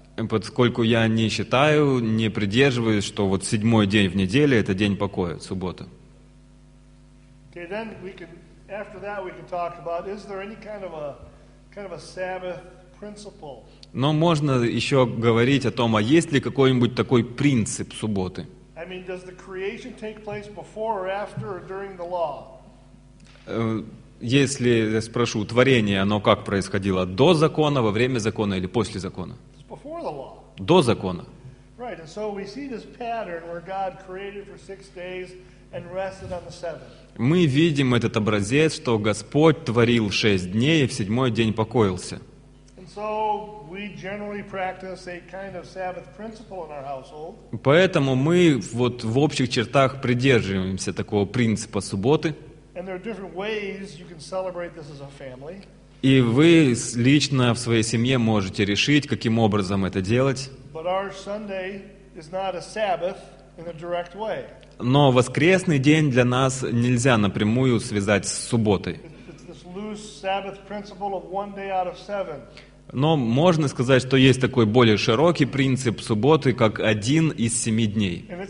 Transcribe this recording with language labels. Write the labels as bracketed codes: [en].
[ru] Поскольку я не считаю, не придерживаюсь, что вот седьмой день в неделе — это день покоя, суббота. [en] Okay, then we can, after that we can talk about, is there any kind of a Sabbath principle? [ru] Но можно еще говорить о том, а есть ли какой-нибудь такой принцип субботы? [en] I mean, does the creation take place before or after or during the law? [ru] Если я спрошу, творение, оно как происходило? До закона, во время закона или после закона? До закона. [en] Right. And so we see this pattern where God created for 6 days and rested on the seventh. [ru] Мы видим этот образец, что Господь творил 6 дней и в седьмой день покоился. [en] And so we generally practice a kind of Sabbath principle in our household. [ru] Поэтому мы вот в общих чертах придерживаемся такого принципа субботы. [en] And there are different ways you can celebrate this as a family. [ru] И вы лично в своей семье можете решить, каким образом это делать. [en] But our Sunday is not a Sabbath in a direct way. [ru] Но воскресный день для нас нельзя напрямую связать с субботой. [en] It's this loose Sabbath principle of one day out of seven. [ru] Но можно сказать, что есть такой более широкий принцип субботы, как один из 7 дней.